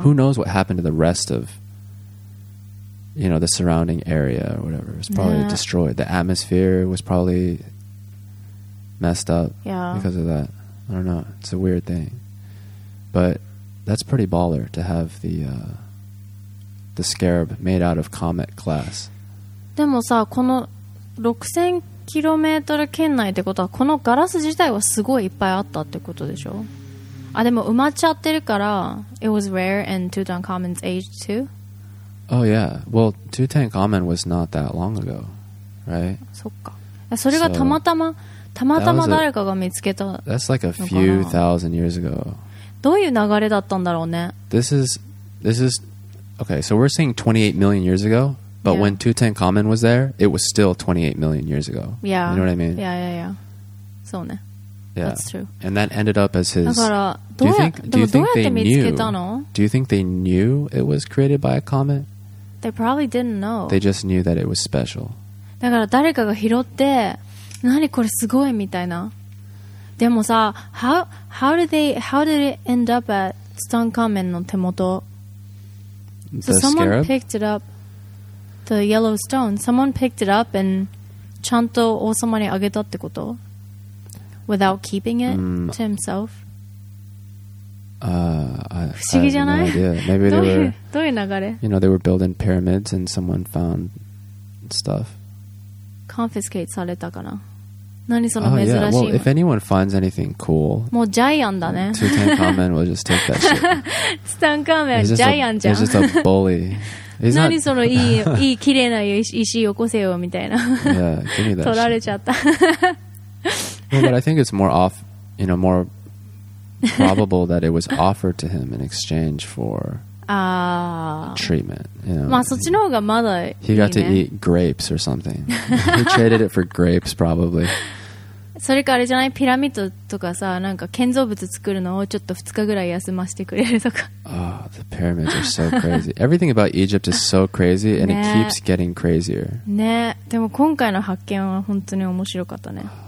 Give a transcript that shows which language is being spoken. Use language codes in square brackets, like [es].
[en] Who knows what happened to the rest of, you know, the surrounding area or whatever. It was probably destroyed. The atmosphere was probably messed up because of that. I don't know. It's a weird thing. But that's pretty baller to have the scarab made out of comet glass. [ja] でもさ、この6000キロメートル圏内ってことは、このガラス自体はすごいいっぱいあったってことでしょ？あ、でも埋まっちゃってるから、 [en] It was rare and Tutankhamun's age too? Oh yeah. Well, Tutankhamun was not that long ago, right? [ja] そっか。それがたまたま、たまたま誰かが見つけたのかな？ [en] That's like a few thousand years ago. [ja] どういう流れだったんだろうね。 [en] This is okay. So we're saying 28 million years ago, but when Tutankhamun was there, it was still 28 million years ago. Yeah. You know what I mean? Yeah. [ja] そうね。 [en] Yeah. That's true. And that ended up as his. [ja] だからどうやって見つけたの？ [en] Do you think they knew it was created by a comet? They probably didn't know. They just knew that it was special. [ja] だから誰かが拾って、何これすごいみたいな。でもさ、 [en] how did it end up at Tutankhamun [ja] の手元? [en] Someone picked it up, the yellow stone. Someone picked it up and [ja] ちゃんと王様にあげたってこと? [en] Without keeping it to himself. I have no idea. Maybe they were. [ja] どういう流れ? [en] You know, they were building pyramids and someone found stuff. [ja] Confiscate されたかな?何その珍しい。 [en] Oh, yeah. Well, if anyone finds anything cool, [ja] もうジャイアンだね。 [en] Tutankhamun will just take that shit. [ja] Tutankhamun, ジャイアンじゃん。 [en] He's just a bully. He's [ja] 何そのいい いい綺麗な石よこせよみたいな。 [en] Yeah, give me that [ja] 取られちゃった。 [en] Well, but I think it's more off, you know, more probable that it was offered to him in exchange for treatment. You know? [ja] まあそっちの方がまだいいね。 [en] He got to eat grapes or something. He traded it for grapes, probably. [ja] それかあれじゃない?ピラミッドとかさ、なんか建造物作るのをちょっと2日ぐらい休ませてくれるとか。 [en] Oh, the pyramids are so crazy. Everything about Egypt is so crazy, and it keeps getting crazier. [ja] ね、でも今回の発見は本当に面白かったね。